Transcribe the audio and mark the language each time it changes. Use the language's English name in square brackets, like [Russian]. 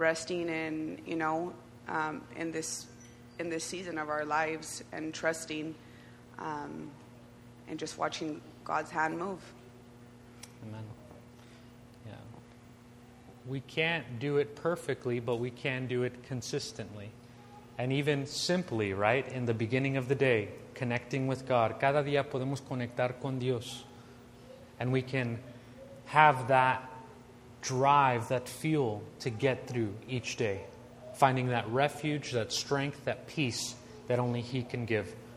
[English] Resting in, you know, in this season of our lives, and trusting and just watching God's hand move. Amen. We can't do it perfectly, but we can do it consistently. And even simply, right, in the beginning of the day, connecting with God. [Spanish] Cada día podemos conectar con Dios. [English] And we can have that drive, that fuel to get through each day. Finding that refuge, that strength, that peace that only He can give.